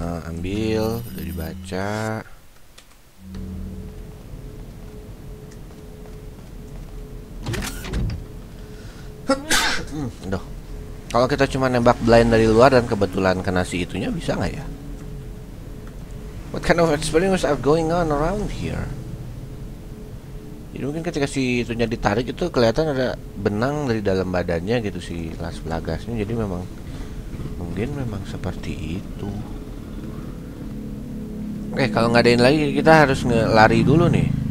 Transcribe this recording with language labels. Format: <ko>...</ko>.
<id>Ambil, udah dibaca. Duh. Kalau kita cuma nembak blind dari luar dan kebetulan kena si itunya, bisa nggak ya?</id> <en>What kind of experiments are going on around here?</en> <id>Jadi mungkin ketika si itunya ditarik itu kelihatan ada benang dari dalam badannya gitu, si Las Plagasnya. Jadi memang mungkin memang seperti itu. Oke, kalau nggak ada ini lagi, kita harus ngelari dulu nih.</id>